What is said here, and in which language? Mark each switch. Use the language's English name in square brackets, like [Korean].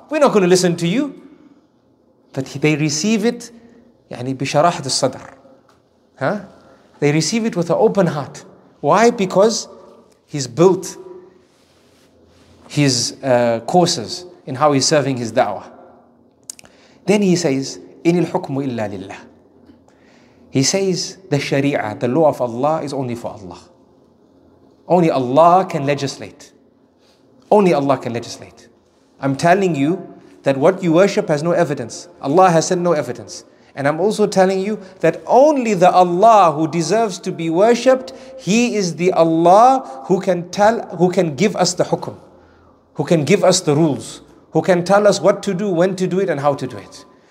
[English] We're not going to listen to you. But they receive it, [Arabic] يعني بشرح الصدر. [English] Huh? They receive it with an open heart. Why? Because he's built his courses in how he's serving his da'wah. Then he says, [Arabic] إن الحكم إلا لله. [English] He says, the sharia, the law of Allah is only for Allah. Only Allah can legislate. Only Allah can legislate. I'm telling you that what you worship has no evidence. Allah has sent no evidence. And I'm also telling you that only the Allah who deserves to be worshipped, He is the Allah who can tell, who can give us the hukum, who can give us the rules, who can tell us what to do, when to do it, and how to do it.